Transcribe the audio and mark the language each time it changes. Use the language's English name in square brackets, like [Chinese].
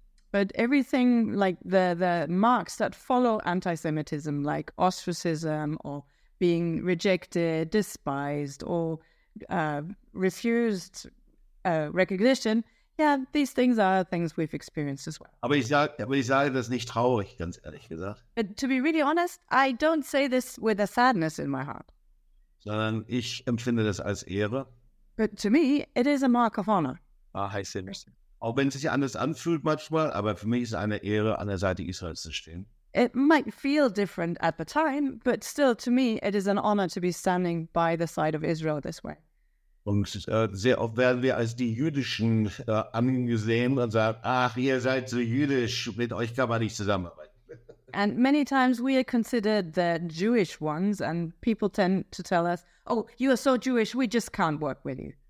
[English] But everything, like the marks that follow anti-Semitism, like ostracism or being rejected, despised or refused recognition, yeah, these things are things we've experienced as well. [German] Aber ich sage das nicht traurig, ganz ehrlich gesagt. [English] But to be really honest, I don't say this with a sadness in my heart. [German] Sondern ich empfinde das als Ehre. [English] But to me, it is a mark of honor. Ah, I see. [German] Auch wenn es sich anders anfühlt manchmal, aber für mich ist es eine Ehre, an der Seite Israels zu stehen. [English] It might feel different at the time, but still to me it is an honor to be standing by the side of Israel this way. [German] Und sehr oft werden wir als die Jüdischen angesehen und sagen, ach, ihr seid so jüdisch, mit euch kann man nicht zusammenarbeiten. [English] And many times we are considered the Jewish ones and people tend to tell us, oh, you are so Jewish, we just can't work with you.